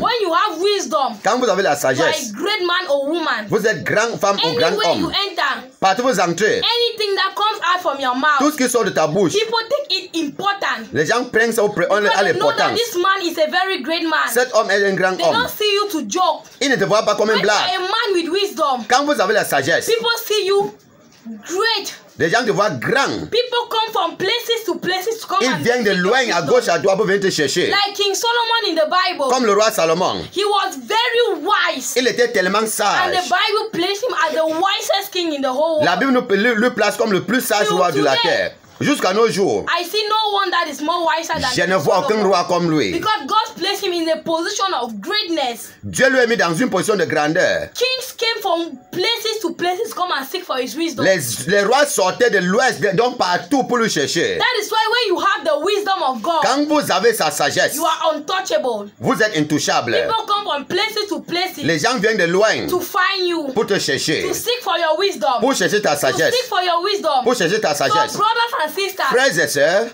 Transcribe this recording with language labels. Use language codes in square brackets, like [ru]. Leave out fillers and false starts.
[en] When you have wisdom. [fr] Quand vous avez la sagesse. [en] You are a great man or woman. [fr] Vous êtes grand femme ou grand homme. [en] Anywhere you enter. [fr] Partout vous entrez. [en] Anything that comes out from your mouth. [fr] Tout ce qui sort de ta bouche. [en] People think it important. [fr] Les gens prennent ça au prix. [en] Because they know that this man is a very great man. [fr] Cet homme est un grand homme. [en] They don't see you to joke. [fr] Ils ne te voient pas comme un blague. [en] When you are a man with wisdom. [fr] Quand vous avez la sagesse. [en] People see you great. [fr] Les gens te voient grand. [en] People come from places to come. [fr] Ils viennent de loin, à gauche, à droite, pour venir te chercher. [en] Like King Solomon in the Bible. [fr] Comme le roi Salomon. [en] He was very wise. [fr] Il était tellement sage. [en] And the Bible placed him as the wisest king in the whole world. [fr] La Bible le place comme le plus sage roi de la terre. Jusqu'à nos jours. [en] I see no one that is more wiser than [fr] je ne vois aucun roi comme lui. [en] Because God placed him in a position of greatness. [fr] Dieu lui a mis dans une position de grandeur. [en] Kings came from places to places to come and seek for his wisdom. [fr] Les rois sortaient de l'ouest, donc partout pour le chercher. [en] That is why when you have the wisdom of God. [fr] Quand vous avez sa sagesse. [en] You are untouchable. [fr] Vous êtes intouchable. [en] People come from places to places. [fr] Les gens viennent de loin. [en] To find you. [fr] Pour te chercher. [en] To seek for your wisdom. [fr] Pour chercher ta sagesse. [en] To seek for your wisdom. [fr] Pour chercher ta sagesse. [en] So, brothers and sisters. [fr] Frères et sœurs.